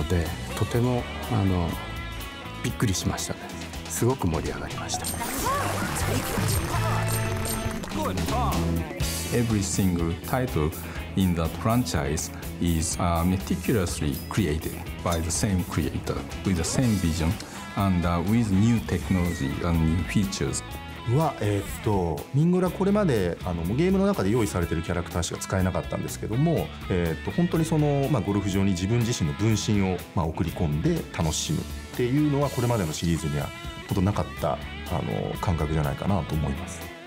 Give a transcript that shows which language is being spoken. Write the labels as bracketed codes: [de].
[ja] あの、日本ではゴルフゲームって全く売れてない時代だったんですね。リリースされたゲームがこんなの待ってたよみたいな雰囲気でどんどん受け入れられてきたので、とても、びっくりしましたね。すごく盛り上がりました。 [en] Every single title in that franchise is meticulously created by the same creator with the same vision and with new technology and new features. [ja] は、ミンゴラこれまでゲームの中で用意されているキャラクターしか使えなかったんですけども、本当にその、まあ、ゴルフ場に自分自身の分身を、まあ、送り込んで楽しむ。っていうのはこれまでのシリーズにはほとんどなかった感覚じゃないかなと思います。